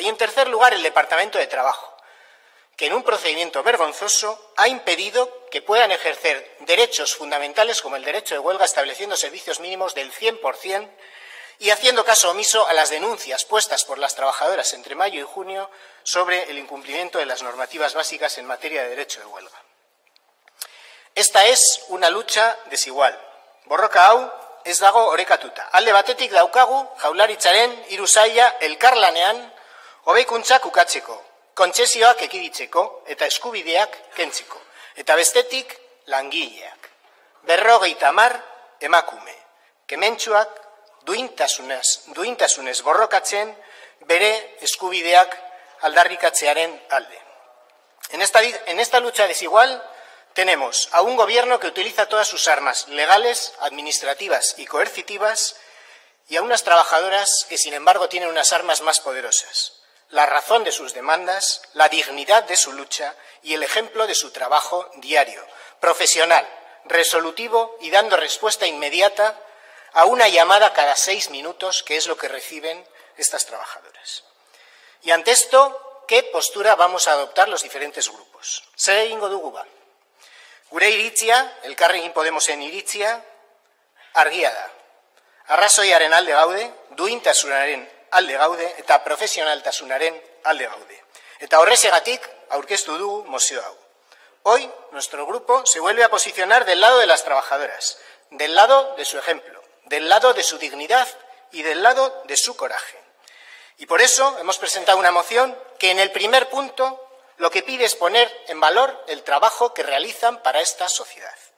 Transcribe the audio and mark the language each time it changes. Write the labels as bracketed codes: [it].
[es] Y en tercer lugar, el Departamento de Trabajo, que en un procedimiento vergonzoso ha impedido que puedan ejercer derechos fundamentales como el derecho de huelga estableciendo servicios mínimos del 100% y haciendo caso omiso a las denuncias puestas por las trabajadoras entre mayo y junio sobre el incumplimiento de las normativas básicas en materia de derecho de huelga. Esta es una lucha desigual. [eu] Borroka hau ez dago orekatuta. Alde batetik daukagu jaularitzaren hiru saila elkarlanean hobekuntzak ukatzeko. Kontzesioak ekiditzeko eta eskubideak kentzeko. Eta bestetik, langileak. 50 emakume. Kementsuak duintasunez borrokatzen bere eskubideak aldarrikatzearen alde. [es] En esta lucha desigual tenemos a un Gobierno que utiliza todas sus armas legales, administrativas y coercitivas y a unas trabajadoras que, sin embargo, tienen unas armas más poderosas. La razón de sus demandas, la dignidad de su lucha y el ejemplo de su trabajo diario, profesional, resolutivo y dando respuesta inmediata a una llamada cada 6 minutos, que es lo que reciben estas trabajadoras. Y ante esto, ¿qué postura vamos a adoptar los diferentes grupos? [eu] Zer egingo dugu ba? Gure iritzia, Elkarrekin Podemosen iritzia, argia da. Arrazoiaren alde gaude, duintasunaren alde gaude, eta profesionaltasunaren alde gaude. Eta horrezegatik aurkeztu dugu mozio hau. [es] Hoy, nuestro grupo se vuelve a posicionar del lado de las trabajadoras, del lado de su ejemplo, del lado de su dignidad y del lado de su coraje. Y por eso hemos presentado una moción que en el primer punto lo que pide es poner en valor el trabajo que realizan para esta sociedad.